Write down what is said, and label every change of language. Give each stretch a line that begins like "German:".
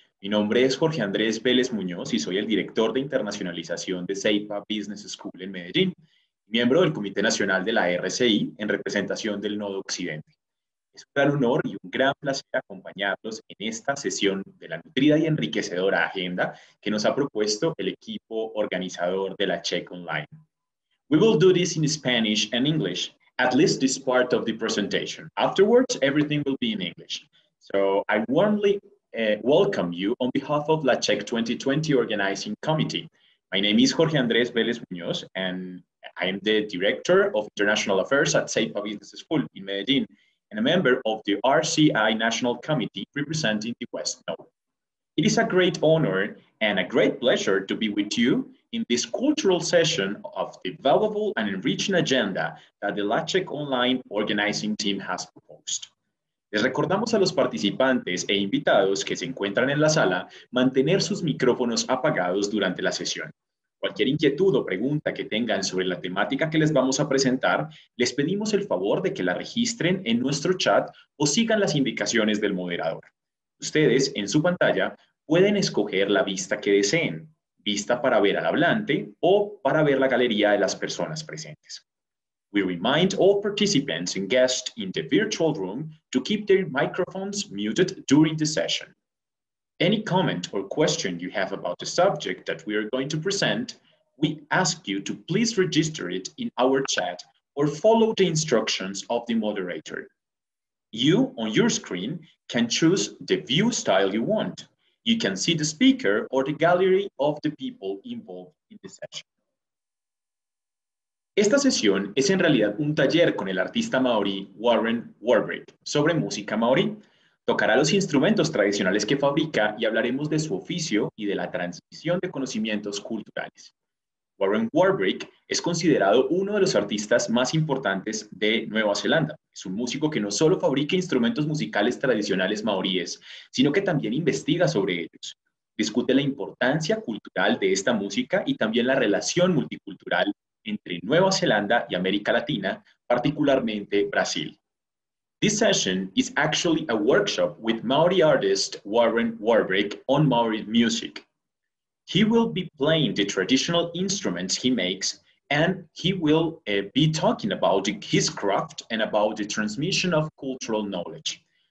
Spanish: Mi nombre es Jorge Andrés Vélez Muñoz y soy el director de internacionalización de CEIPA Business School en Medellín, miembro del Comité Nacional de la RCI en representación del Nodo Occidente. Es un gran honor y un gran placer acompañarlos en esta sesión de la nutrida y enriquecedora agenda que nos ha propuesto el equipo organizador de la CHEC Online.
English: We will do this in Spanish and English, at least this part of the presentation. Afterwards, everything will be in English. So I warmly welcome you on behalf of La CHEC 2020 Organizing Committee. My name is Jorge Andrés Vélez Muñoz, and I am the Director of International Affairs at CEIPA Business School in Medellín, and a member of the RCI National Committee representing the West Node. It is a great honor and a great pleasure to be with you in this cultural session of the valuable and enriching agenda that the La CHEC Online Organizing Team has proposed.
Spanish: Les recordamos a los participantes e invitados que se encuentran en la sala mantener sus micrófonos apagados durante la sesión. Cualquier inquietud o pregunta que tengan sobre la temática que les vamos a presentar, les pedimos el favor de que la registren en nuestro chat o sigan las indicaciones del moderador. Ustedes, en su pantalla, pueden escoger la vista que deseen, vista para ver al hablante o para ver la galería de las personas presentes.
English: We remind all participants and guests in the virtual room to keep their microphones muted during the session. Any comment or question you have about the subject that we are going to present, we ask you to please register it in our chat or follow the instructions of the moderator. You, on your screen, can choose the view style you want. You can see the speaker or the gallery of the people involved in the session.
Spanish: Esta sesión es en realidad un taller con el artista maorí Warren Warbrick sobre música maorí. Tocará los instrumentos tradicionales que fabrica y hablaremos de su oficio y de la transmisión de conocimientos culturales. Warren Warbrick es considerado uno de los artistas más importantes de Nueva Zelanda. Es un músico que no solo fabrica instrumentos musicales tradicionales maoríes, sino que también investiga sobre ellos. Discute la importancia cultural de esta música y también la relación multicultural entre Nueva Zelanda y América Latina, particularmente Brasil.
English: This session is actually a workshop with Maori artist Warren Warbrick on Maori music. He will be playing the traditional instruments he makes, and he will be talking about his craft and about the transmission of cultural knowledge.